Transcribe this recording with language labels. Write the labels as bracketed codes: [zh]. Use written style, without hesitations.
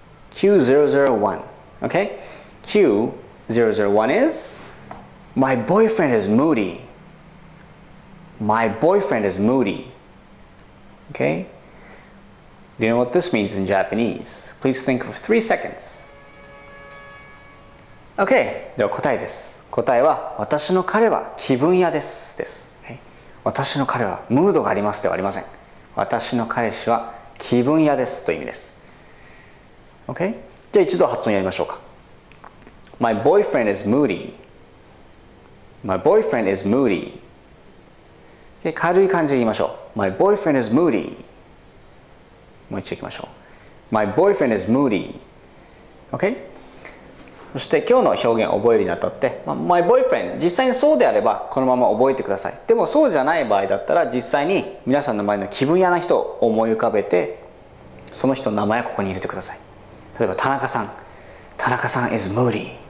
[en] Q001. Okay? Q001 is My boyfriend is moody. My boyfriend is moody. Okay? Do you know what this means in Japanese? Please think for 3 seconds. [ja] Okay, では答えです。答えは私の彼は気分屋です。です。私の彼はムードがありますではありません。私の彼氏は気分屋ですという意味です。 [en] OK? [ja] じゃあ一度発音やりましょうか。 [en] My boyfriend is moody.My boyfriend is moody.、Okay? [ja] 軽い感じで言いましょう。 [en] My boyfriend is moody. [ja] もう一度いきましょう。 [en] My boyfriend is moody.OK?、Okay? [ja] そして今日の表現を覚えるにあたって、 My boyfriend、実際にそうであればこのまま覚えてください。でもそうじゃない場合だったら、実際に皆さんの前の気分屋な人を思い浮かべて、その人の名前をここに入れてください。例えば、田中さん。 [en] 田中さん is moody.